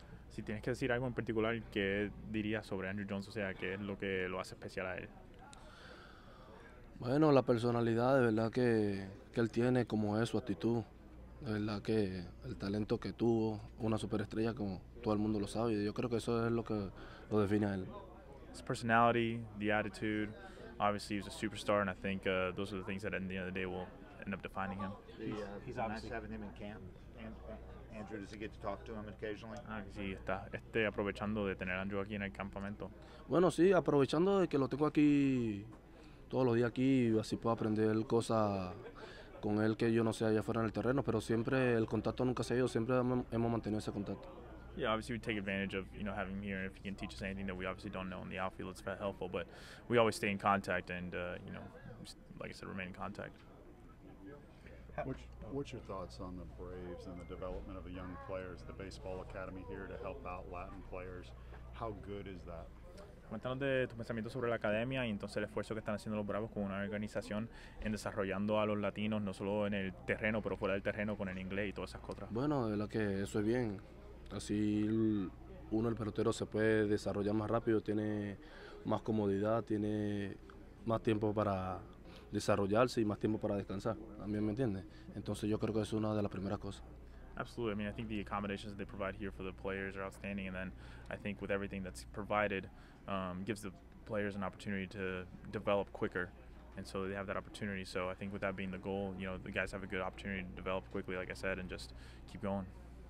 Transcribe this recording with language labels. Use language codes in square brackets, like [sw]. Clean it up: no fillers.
[es] Si tienes que decir algo en particular, ¿qué dirías sobre Andrew Jones? O sea, ¿qué es lo que lo hace especial a él? Bueno, la personalidad de verdad que él tiene, como es su actitud, de verdad que el talento que tuvo, una superestrella como todo el mundo lo sabe, y yo creo que eso es lo que lo define a él. [en] His personality, the attitude, obviously he was a superstar, and I think those are the things that at the end of the day will end up defining him. He's obviously having him in camp. Andrew, does he get to talk to him occasionally? [es] Ah, sí, está aprovechando de tener a Andrew aquí en el campamento. Bueno, sí, aprovechando de que lo tengo aquí todos los días aquí, así puedo aprender cosas con él que yo no sé allá afuera en el terreno, pero siempre el contacto nunca se ha ido, siempre hemos mantenido ese contacto. [en] Yeah, obviously we take advantage of, you know, having him here, and if he can teach us anything that we obviously don't know in the outfield, it's very helpful. But we always stay in contact, and you know, like I said, remain in contact. What's your thoughts on the Braves and the development of the young players, the baseball academy here to help out Latin players? How good is that? [es] Cuéntanos de tu pensamiento sobre la academia y entonces el esfuerzo que están haciendo los Bravos con una organización en desarrollando a los latinos, no solo en el terreno, pero fuera del terreno con el inglés y todas esas cosas. Bueno, de verdad que eso es bien. Así uno, el pelotero, se puede desarrollar más rápido, tiene más comodidad, tiene más tiempo para desarrollarse y más tiempo para descansar. ¿También me entiendes? Entonces yo creo que eso es una de las primeras cosas. [en] Absolutely. I mean, I think the accommodations they provide here for the players are outstanding. And then I think with everything that's provided, gives the players an opportunity to develop quicker. And so they have that opportunity. So I think with that being the goal, you know, the guys have a good opportunity to develop quickly, like I said, and just keep going.